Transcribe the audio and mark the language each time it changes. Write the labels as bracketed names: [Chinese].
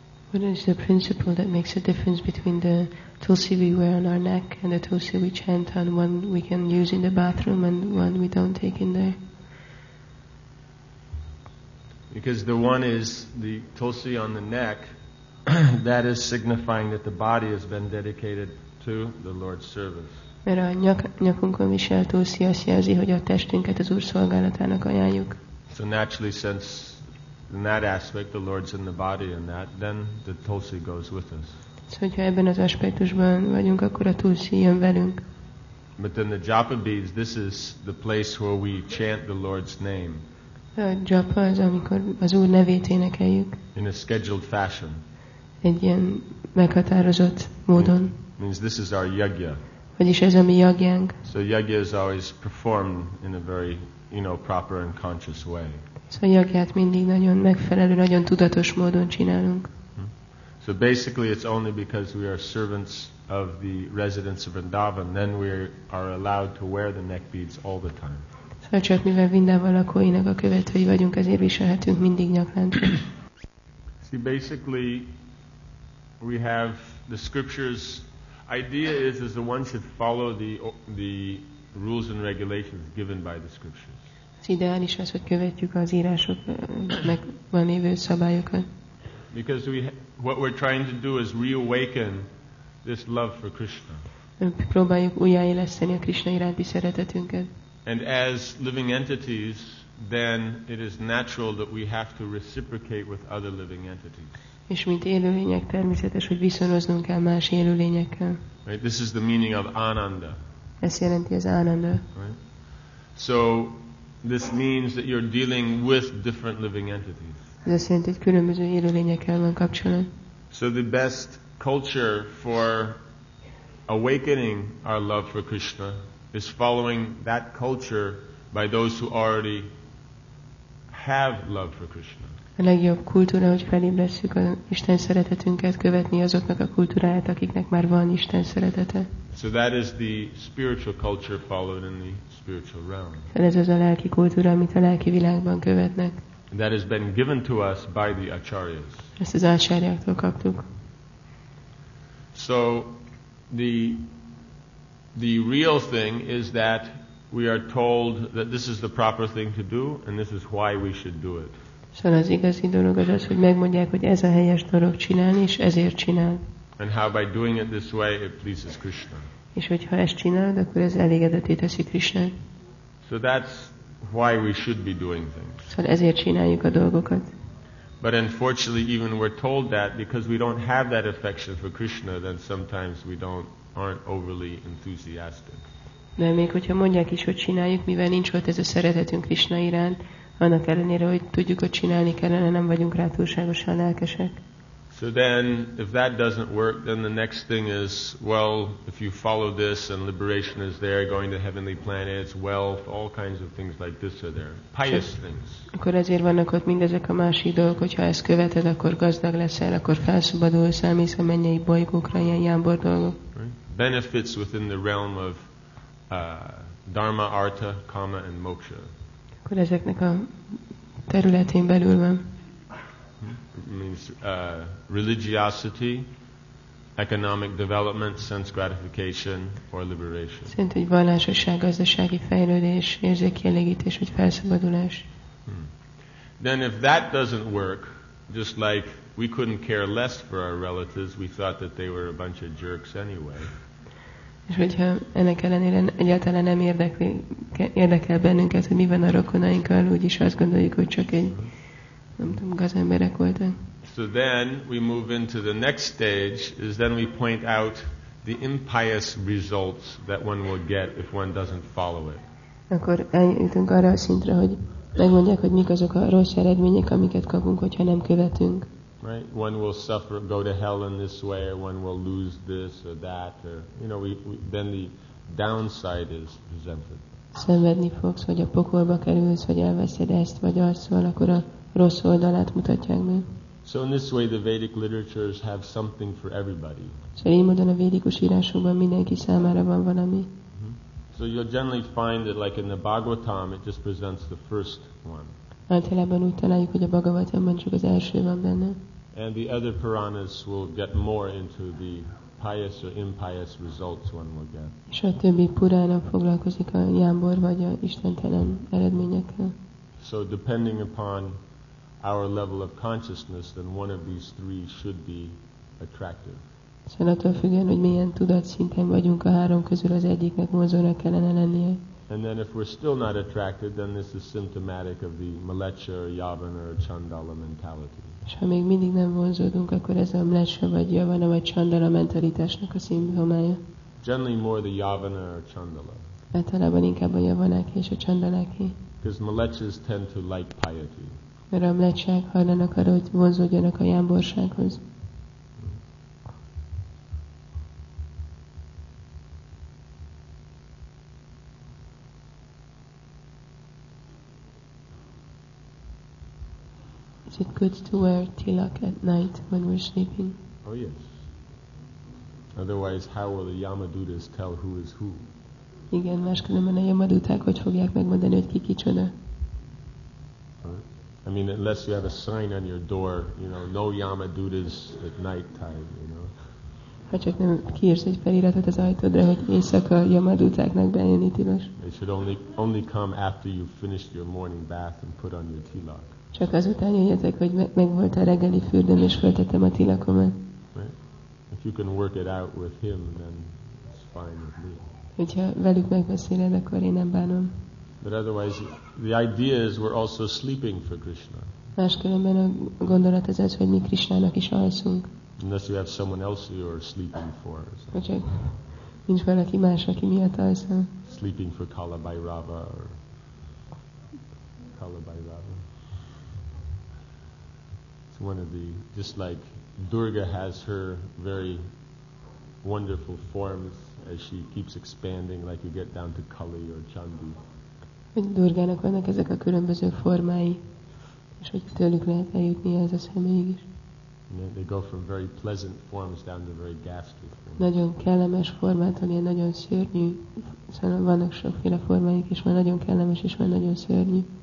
[English] What is the principle that makes a difference between the tulsi we wear on our neck and the tulsi we chant on, one we can use in the bathroom and one we don't take in there? Because the one is the tulsi on the neck, that is signifying that the body has been dedicated to the Lord's service. [Hungarian] Mert a nyakunkon viselt tulsi azt jelzi, hogy a testünket az Úr szolgálatának ajánljuk. [English] So naturally, since in that aspect the Lord's in the body, and that then the tulsi goes with us. [Hungarian] So, hogyha ebben az aspektusban vagyunk, akkor a tulsi jön velünk. [English] But then the japa beads, this is the place where we chant the Lord's name. [Hungarian] A japa az, amikor az Úr nevét énekeljük. [English] In a scheduled fashion. [Hungarian] Egy ilyen meghatározott módon. [English] Means this is our yagya. [Hungarian] Vagyis ez a mi yagyánk. [English] So yagya is always performed in a very, you know, proper and conscious way. [Hungarian] Szóval yagyát mindig nagyon megfelelő, nagyon tudatos módon csinálunk. [English] So basically it's only because we are servants of the residents of Vrindavan, then we are allowed to wear the neck beads all the time. [Hungarian] Szóval csak mivel Vrindavan lakóinak a követői vagyunk, ezért viselhetünk mindig nyakláncot. [English] See, basically we have the scriptures. Idea is the one should follow the rules and regulations given by the scriptures. [Hungarian] Ideális az, hogy követjük az írások meg van lévő szabályokat. [English] Because what we're trying to do is reawaken this love for Krishna. [Hungarian] Próbáljuk újjáéleszteni a Krishna iránti szeretetünket. [English] And as living entities, then it is natural that we have to reciprocate with other living entities. [Hungarian] És mint élőlények természetes, hogy viszonoznunk kell más élőlényekkel. [English] Right? This is the meaning of ananda. [Hungarian] Ez jelenti az ananda. [English] Right? So this means that you're dealing with different living entities. [Hungarian] Ez azt jelenti, hogy különböző élőlényekkel van kapcsolat. [English] So the best culture for awakening our love for Krishna is following that culture by those who already have love for Krishna. [Hungarian] A legjobb kultúra, hogy felébresszük az Isten szeretetünket, követni azoknak a kultúráját, akiknek már van Isten szeretete. [English] So that is the spiritual culture followed in the spiritual realm. [Hungarian] Ez az a lelki kultúra, amit a lelki világban követnek. [English] That has been given to us by the acharyas. [Hungarian] Ezt az acharyáktól kaptuk. [English] So the real thing is that we are told that this is the proper thing to do, and this is why we should do it. [Hungarian] Szóval az igazi dolog az, hogy megmondják, hogy ez a helyes dolog csinálni, és ezért csinál. [English] And how by doing it this way, it pleases Krishna. [Hungarian] És hogyha ezt csinálod, akkor ez elégedetté teszi Krishnát. [English] So that's why we should be doing things. [Hungarian] Szóval ezért csináljuk a dolgokat. [English] But unfortunately, even we're told that because we don't have that affection for Krishna, then sometimes we aren't overly enthusiastic. [Hungarian] De még hogyha mondják is, hogy csináljuk, mivel nincs ott ez a szeretetünk Krishna iránt, annak ellenére, hogy tudjuk, hogy csinálni kellene, nem vagyunk rá túlságosan lelkesek. [English] So then, if that doesn't work, then the next thing is, well, if you follow this and liberation is there, going to heavenly planets, wealth, all kinds of things like this are there. Pious things. [Hungarian] Akkor azért vannak ott mindezek a másik dolgok, hogyha ezt követed, akkor gazdag leszel, akkor felszabadulsz, elmész a mennyei bolygókra, ilyen jámbor dolgok. [English] Benefits within the realm of dharma, artha, kama and moksha. [Hungarian] Akkor ezeknek a területén belül van. [English] Means religiosity, economic development, sense gratification, or liberation. [Hungarian] Szent egy vallásosság, gazdasági fejlődés, érzékielégítés, vagy felszabadulás. [English] Then if that doesn't work, just like we couldn't care less for our relatives, we thought that they were a bunch of jerks anyway. [Hungarian] És hogyha ennek ellenére egyáltalán nem érdekel bennünket, hogy mi van a rokonainkkal, úgyis azt gondoljuk, hogy csak egy nem tudom, gazemberek voltak. [English] So then we move into the next stage, is then we point out the impious results that one will get if one doesn't follow it. [Hungarian] Akkor eljutunk arra a szintre, hogy megmondják, hogy mik azok a rossz eredmények, amiket kapunk, hogyha nem követünk. [English] Right? One will suffer, go to hell in this way, or one will lose this or that, or you know, then the downside is presented. [Hungarian] Szenvedni fogsz, vagy a pokolba kerülsz, vagy elveszed ezt, vagy arszol, akkor a rossz oldalát mutatják meg. [English] So in this way the Vedic literatures have something for everybody. [Hungarian] So így módon a védikus írásokban mindenki számára van valami. [English] So you'll generally find that like in the Bhagavatam it just presents the first one. [Hungarian] Általában úgy találjuk, hogy a Bhagavatamban csak az első van benne. [English] And the other Puranas will get more into the pious or impious results one will get. [Hungarian] És a többi Purana foglalkozik a jámbor vagy a istentelen eredményekkel. [English] So depending upon our level of consciousness, then one of these three should be attractive. [Hungarian] Szóval attól függően, hogy milyen tudatszinten vagyunk, a három közül az egyiknek vonzónak kellene lennie. [English] And then if we're still not attracted, then this is symptomatic of the mlecha, yavana, or chandala mentality. [Hungarian] És ha még mindig nem vonzódunk, akkor ez a mlecha, vagy yavana, vagy chandala mentalitásnak a szimptomája. [English] Generally more the yavana or chandala. [Hungarian] Általában inkább a yavanáké és a chandaláké. [English] Because mlechas tend to like piety. [Hungarian] Mert a mlecsák hajlanak arra, hogy vonzódjanak a jámborsághoz. [English] Is it good to wear tilak at night when we're sleeping? Oh yes. Otherwise, how will the Yamadutas tell who is who? [Hungarian] Igen, máskülönben a Yamaduták hogy fogják megmondani, hogy ki kicsoda? [English] I mean, unless you have a sign on your door, you know, no Yama Dutas at night time, you know. [Hungarian] Ha csak nem kiírsz egy feliratot az ajtódra, hogy éjszaka Yama Dutáknak bejönni tilos. [English] It should only come after you finished your morning bath and put on your tilak. [Hungarian] Csak azután jöjjetek, hogy megvolt a reggeli fürdőm, és föltettem a tilakomat. [English] If you can work it out with him, then it's fine with me. [Hungarian] Hogyha velük megbeszéled, akkor én nem bánom. [English] But otherwise, the idea is we're also sleeping for Krishna. [Hungarian] Máskülönben a gondolat az az, hogy mi Krishnának is alszunk. [English] Unless you have someone else you are sleeping for. [Hungarian] Hogyha nincs valaki más, aki miatt alszom. [English] Sleeping for Kala Bhairava or Kala Bhairava. It's one of the, just like Durga has her very wonderful forms as she keeps expanding, like you get down to Kali or Chandi. [Hungarian] Durgának vannak ezek a különböző formái, és hogy tőlük lehet eljutni ez a személyig is. [English] They go from very pleasant forms down to very ghastly forms. [Hungarian] Nagyon kellemes formától ilyen nagyon szörnyű, szóval vannak sokféle formáik is, van nagyon kellemes és van nagyon szörnyű.